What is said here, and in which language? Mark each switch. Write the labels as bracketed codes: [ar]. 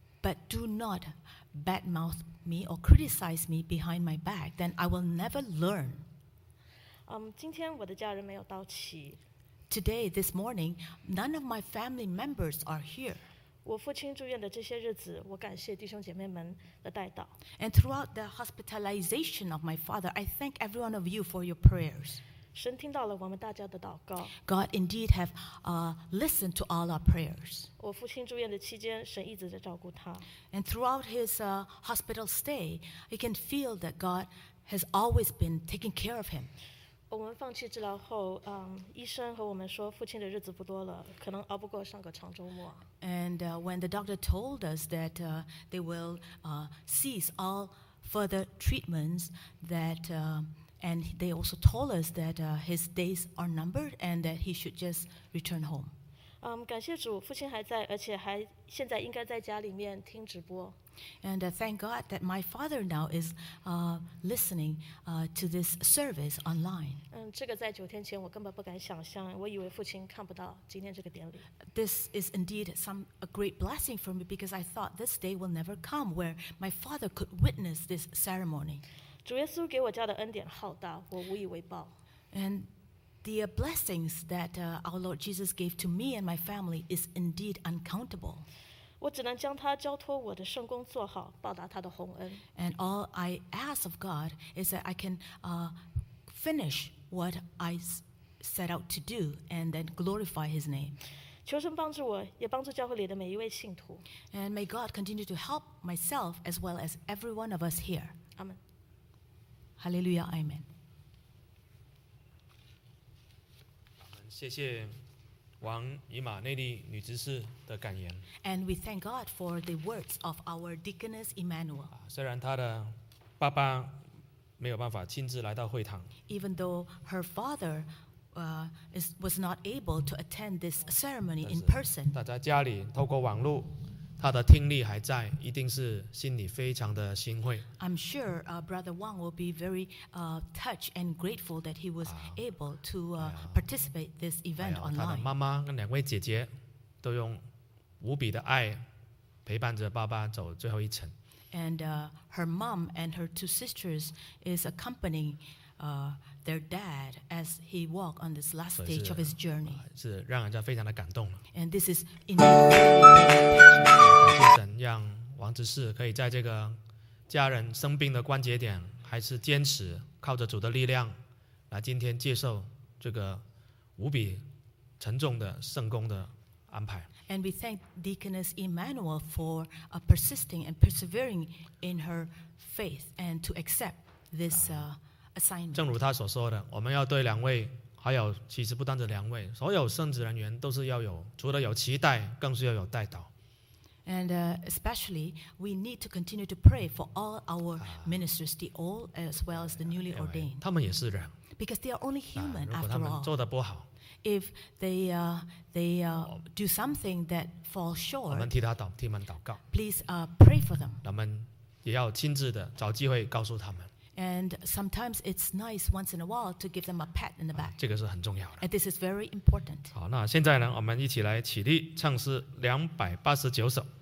[en] But do not badmouth me or criticize me behind my back, then I will never learn. [zh] 今天我的家人没有到齐。 [en] Today, this morning, none of my family members are here. [zh] 我父亲住院的这些日子，我感谢弟兄姐妹们的带导。 [en] And throughout the hospitalization of my father, I thank every one of you for your prayers. [zh] 神听到了我们大家的祷告。 [en] God indeed have listened to all our prayers. [zh] 我父亲住院的期间，神一直在照顾他。 [en] And throughout his hospital stay, he can feel that God has always been taking care of him. [zh] 我们放弃治疗后，医生和我们说父亲的日子不多了，可能熬不过上个长周末。 [en] And when the doctor told us that they will cease all further treatments, that And they also told us that his days are numbered and that he should just return home. [zh] 感谢主，父亲还在，而且还现在应该在家里面听直播。 [en] And thank God that my father now is listening to this service online. [zh] 这个在九天前我根本不敢想象，我以为父亲看不到今天这个典礼。 [en] This is indeed a great blessing for me because I thought this day will never come where my father could witness this ceremony. [zh] 主耶稣给我家的恩典浩大，我无以为报。 [en] And the blessings that our Lord Jesus gave to me and my family is indeed uncountable. [zh] 我只能将他交托我的圣工做好，报答他的宏恩。 [en] And all I ask of God is that I can finish what I set out to do and then glorify his name. [zh] 求神帮助我，也帮助教会里的每一位信徒。 [en] And may God continue to help myself as well as every one of us here. Amen. Hallelujah, Amen. [zh] 谢谢王以马内利女执事的感言。 [en] And we thank God for the words of our deaconess Emmanuel. [zh] 虽然她的爸爸没有办法亲自来到会堂。 [en] Even though her father was not able to attend this ceremony in person. [zh] 但是她在家里透过网络，她的听力还在，一定是心里非常的欣慰。 [en] I'm sure Brother Wang will be very touched and grateful that he was able to participate this event online. [zh] 她的妈妈跟两位姐姐都用无比的爱陪伴着爸爸走最后一程。 [en] And her mom and her two sisters is accompanying their dad as he walked on this last stage of his journey. [zh] 是让人家非常的感动。 [en] And this is in the [zh] 让王执事可以在这个家人生病的关节点，还是坚持靠着主的力量来今天接受这个无比沉重的圣工的安排。 [en] And we thank Deaconess Emmanuel for persisting and persevering in her faith and to accept this assignment. [zh] 正如他所说的，我们要对两位，还有其实不单止两位，所有圣职人员都是要有，除了有期待，更是要有带导。 [en] And especially, we need to continue to pray for all our ministers, the old as well as the newly ordained. [zh] 他们也是人。 [en] Because they are only human after all. [zh] 如果他们做得不好。 [en] If they do something that falls short, [zh] 我们替他祷，替他们祷告。 [en] Please pray for them. [zh] 我们也要亲自的找机会告诉他们。 [en] And sometimes it's nice once in a while to give them a pat in the back. [zh] 这个是很重要的。 [en] And this is very important. [zh] 好，那现在呢，我们一起来起立唱诗289首。